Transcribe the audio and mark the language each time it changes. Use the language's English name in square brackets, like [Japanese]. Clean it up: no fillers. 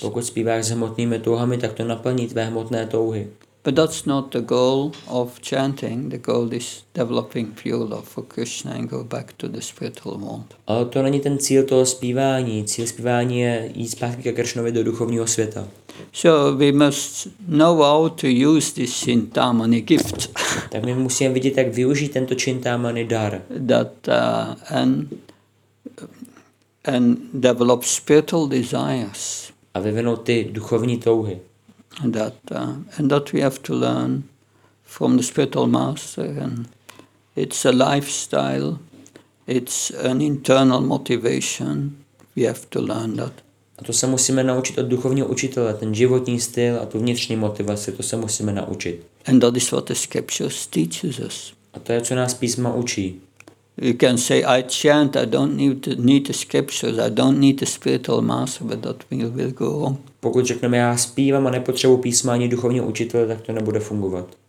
[Czech] Pokud zpíváš s hmotnými touhami, tak to naplní tvé hmotné touhy. [English] But that's not the goal of chanting. The goal is developing pure love for Krishna and go back to the spiritual world. [Czech] Ale to není ten cíl toho zpívání. Cíl zpívání je jít zpátky ke Kršnovi do duchovního světa. [English] So we must know how to use this Chintamani gift. [Czech] Tak my musíme vidět, jak využít tento Chintamani dar. [English] And develop spiritual desires. [Czech] A vyvinout ty duchovní touhy. [English] And that we have to learn from the spiritual master, and it's a lifestyle, it's an internal motivation. We have to learn that. [Czech] A to se musíme naučit od duchovního učitele, ten životní styl a tu vnitřní motivaci, to se musíme naučit. [English] And that is what the scriptures teaches us. [Czech] A to je, co nás písma učí. [English] You can say, I chant, I don't need the scriptures, I don't need the spiritual master, but that will go wrong. [Czech] Pokud řekneme, já zpívám a nepotřebuji písma ani duchovního učitele, tak to nebude fungovat.